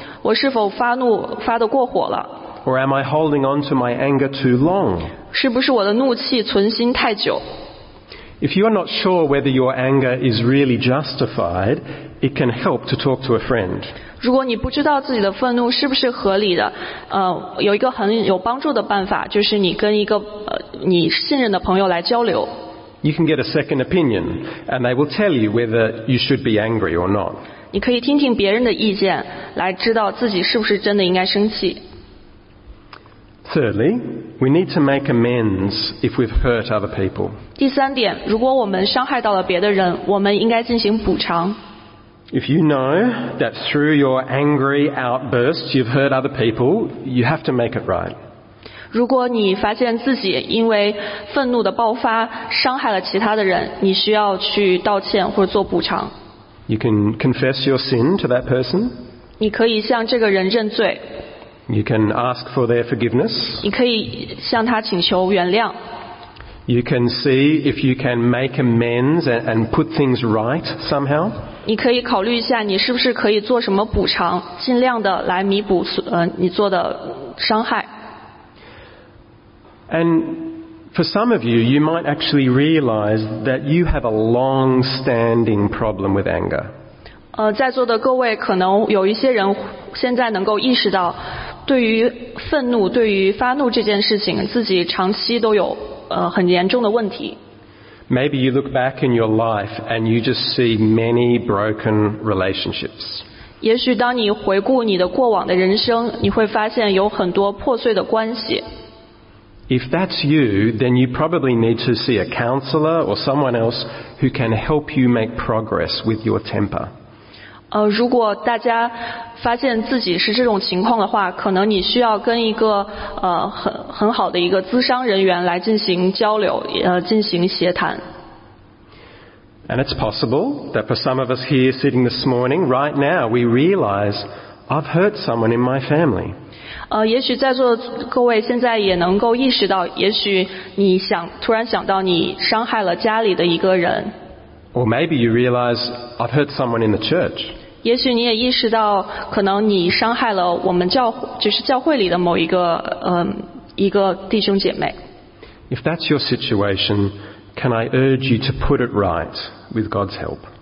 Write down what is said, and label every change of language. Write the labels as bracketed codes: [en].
[zh] 我是否发怒发得过火了？ [en] Or am I holding on to my anger too long? [zh] 是不是我的怒气存心太久？ [en] If you are not sure whether your anger is really justified, it can help to talk to a friend. [zh] 如果你不知道自己的愤怒是不是合理的，有一个很有帮助的办法，就是你跟一个你信任的朋友来交流。 [en] You can get a second opinion, and they will tell you whether you should be angry or not. [zh] 你可以听听别人的意见，来知道自己是不是真的应该生气。 [en] Thirdly, we need to make amends if we've hurt other people. [zh] 第三点，如果我们伤害到了别的人，我们应该进行补偿。 [en] If you know that through your angry outbursts you've hurt other people, you have to make it right. [zh] 如果你发现自己因为愤怒的爆发伤害了其他的人，你需要去道歉或者做补偿。 [en] You can confess your sin to that person. [zh] 你可以向这个人认罪。 [en] You can ask for their forgiveness. [zh] 你可以向他请求原谅。 [en] You can see if you can make amends and put things right somehow. [zh] 你可以考虑一下，你是不是可以做什么补偿，尽量的来弥补你做的伤害。 [en] And for some of you, you might actually realize that you have a long-standing problem with anger. [zh] 在座的各位可能有一些人现在能够意识到，对于愤怒、对于发怒这件事情，自己长期都有很严重的问题。 [en] Maybe you look back in your life and you just see many broken relationships. [zh] 也许当你回顾你的过往的人生，你会发现有很多破碎的关系。 [en] If that's you, then you probably need to see a counselor or someone else who can help you make progress with your temper. [zh] 如果大家发现自己是这种情况的话，可能你需要跟一个很好的一个咨商人员来进行交流，进行协谈。 [en] And it's possible that for some of us here sitting this morning, right now, we realize I've hurt someone in my family. [zh] 也许在座各位现在也能够意识到，也许你想突然想到你伤害了家里的一个人。 [en] Or maybe you realize I've hurt someone in the church. [zh] 也许你也意识到，可能你伤害了我们教会里的某一个一个弟兄姐妹。 [en] If that's your situation, can I urge you to put it right with God's help?